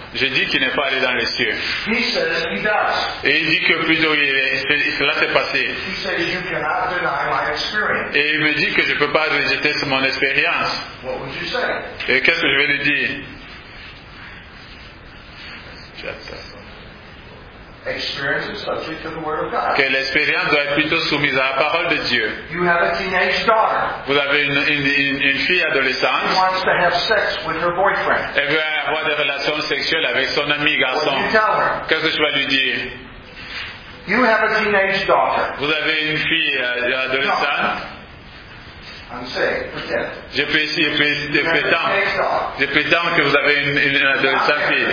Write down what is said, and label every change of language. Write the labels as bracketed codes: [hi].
[fr] J'ai dit qu'il n'est pas allé dans les cieux. [en] He says he does. [fr] Et il dit que plutôt cela s'est passé. [en] He says you cannot deny my experience. [fr] Et il me dit que je ne peux pas rejeter mon expérience. [en] What would you say? [fr] Et qu'est-ce que je vais lui dire? [en] Experience is subject to the word of God. [fr] Que l'expérience doit être plutôt soumise à la parole de Dieu. [en] You have a teenage daughter. [fr] Vous avez une fille adolescente. [en] She wants to have sex with her boyfriend. [fr] Elle veut avoir des relations sexuelles avec son ami garçon. [en] What do you tell her? [fr] Qu'est-ce que je vais lui dire? [en] You have a teenage daughter. [fr] Vous avez une fille adolescente. [en] I'm saying, pretend. [fr] Je prétends que vous avez une adolescente fille.